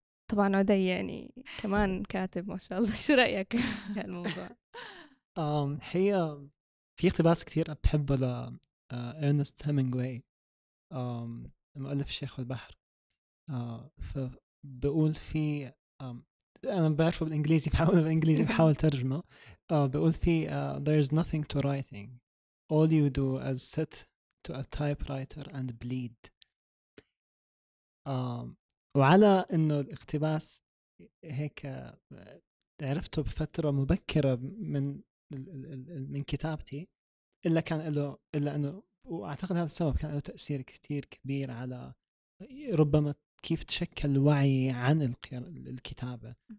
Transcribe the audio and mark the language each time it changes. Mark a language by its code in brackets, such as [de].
[ar] طبعا عدي يعني كمان كاتب ما شاء الله، شو رأيك هالموضوع؟ هي في اقتباس كتير بحبه لإرنست هيمينغواي مؤلف الشيخ والبحر، فبقول في أنا بعرفه بالإنجليزي، بحاول ترجمه. بقول في [en] there's nothing to writing, all you do is sit to a typewriter and bleed. [ar] وعلى إنه الاقتباس هيك عرفته بفترة مبكرة من كتابتي، إلا كان له إلا إنه، وأعتقد هذا السبب كان له تأثير كتير كبير على ربما كيف تشكل وعي عن الكتابة.